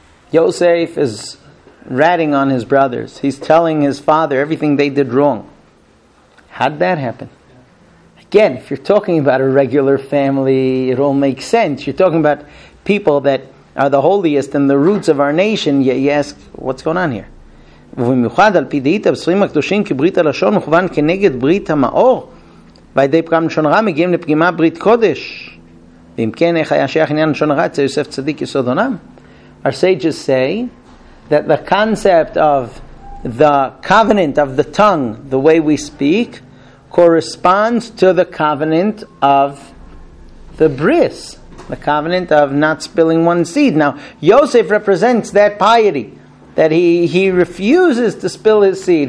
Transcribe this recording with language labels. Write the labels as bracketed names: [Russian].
[English] Yosef is ratting on his brothers. He's telling his father everything they did wrong. How'd that happen? Again, if you're talking about a regular family, it all makes sense. You're talking about people that are the holiest and the roots of our nation. Yet you ask, what's going on here? [Hebrew] ובמיוחד על פי דעית הבשרים הקדושים כי ברית הלשון מכוון כנגד ברית המאור וידי פגם לשון רע מגיעים לפגימה ברית קודש ואם כן איך היה שייך עניין לשון רע אצל יוסף צדיק יסוד עולם. [English] Our sages say that the concept of the covenant of the tongue, the way we speak, corresponds to the covenant of the bris, the covenant of not spilling one seed. Now Yosef represents that piety, that he refuses to spill his seed.